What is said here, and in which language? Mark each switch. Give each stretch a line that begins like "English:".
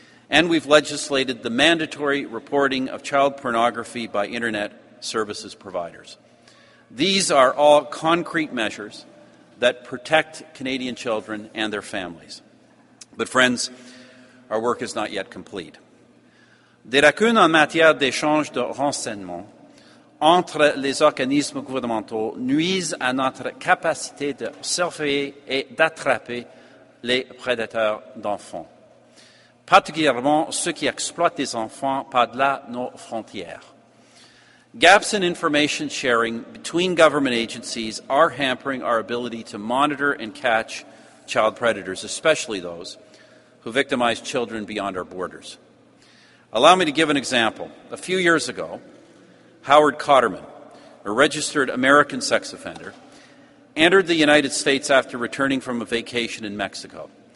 English: And we've legislated the mandatory reporting of child pornography by internet services providers. These are all concrete measures that protect Canadian children and their families. But friends, our work is not yet complete.
French: Des lacunes en matière d'échange de renseignements entre les organismes gouvernementaux nuisent à notre capacité de surveiller et d'attraper les prédateurs d'enfants, particulièrement ceux qui exploitent des enfants par-delà nos frontières.
English: Gaps in information sharing between government agencies are hampering our ability to monitor and catch child predators, especially those who victimize children beyond our borders. Allow me to give an example. A few years ago, Howard Cotterman, a registered American sex offender, entered the United States after returning from a vacation in Mexico.